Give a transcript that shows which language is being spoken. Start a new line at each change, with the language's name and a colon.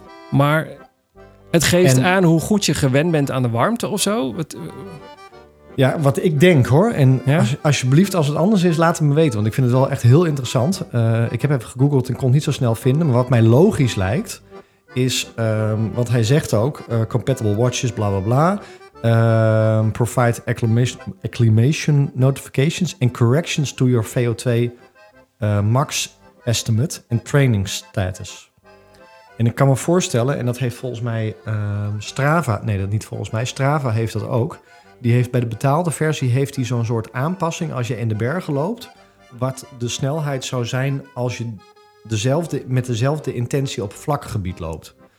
Dutch: Maar het geeft aan hoe goed je gewend bent aan de warmte of zo? Ja, wat ik denk hoor. En ja? Alsjeblieft, als het anders is, laat het me weten. Want ik vind het wel echt heel interessant. Ik heb even gegoogeld en kon het niet zo snel vinden. Maar wat mij logisch lijkt is, wat hij zegt ook,
English: compatible watches,
Dutch: bla bla bla.
English: Provide acclimation notifications and corrections to your VO2 max estimate and training status.
Dutch: En ik kan me voorstellen, en dat heeft volgens mij Strava, nee dat niet volgens mij, Strava heeft dat ook. Die heeft bij de betaalde versie heeft hij zo'n soort aanpassing als je in de bergen loopt, wat de snelheid zou zijn als je met dezelfde intentie op vlak gebied loopt.